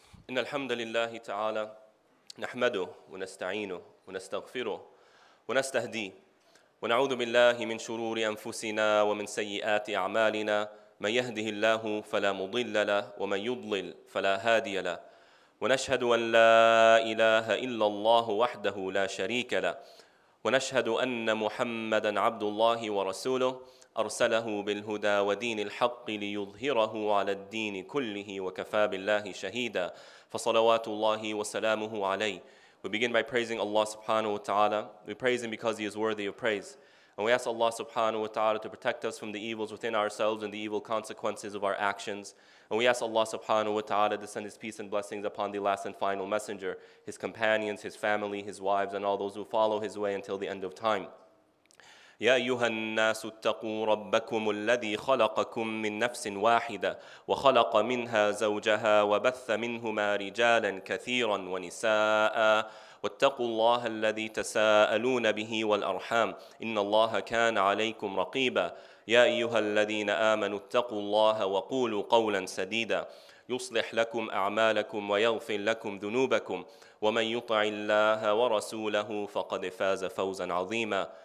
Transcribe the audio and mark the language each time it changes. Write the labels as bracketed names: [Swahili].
[Arabic] إن الحمد لله تعالى نحمده ونستعينه ونستغفره ونستهديه ونعوذ بالله من شرور أنفسنا ومن سيئات أعمالنا من يهده الله فلا مضل له ومن يضلل فلا هادي له ونشهد أن لا إله إلا الله وحده لا شريك له ونشهد أن محمدًا عبد الله ورسوله أرسله بالهدى ودين الحق ليظهره على الدين كله وكفى بالله شهيدا فصلوات الله وسلامه عليه. [English] We begin by praising Allah subhanahu wa ta'ala. We praise Him because He is worthy of praise. And we ask Allah subhanahu wa ta'ala to protect us from the evils within ourselves and the evil consequences of our actions. And we ask Allah subhanahu wa ta'ala to send His peace and blessings upon the last and final messenger, His companions, His family, His wives, and all those who follow His way until the end of time. [Arabic] يا أيها الناس اتقوا ربكم الذي خلقكم من نفس واحدة وخلق منها زوجها وبث منهما رجالا كثيرا ونساء واتقوا الله الذي تساءلون به والأرحام إن الله كان عليكم رقيبا يا أيها الذين آمنوا اتقوا الله وقولوا قولا سديدا يصلح لكم أعمالكم ويغفر لكم ذنوبكم ومن يطع الله ورسوله فقد فاز فوزا عظيما.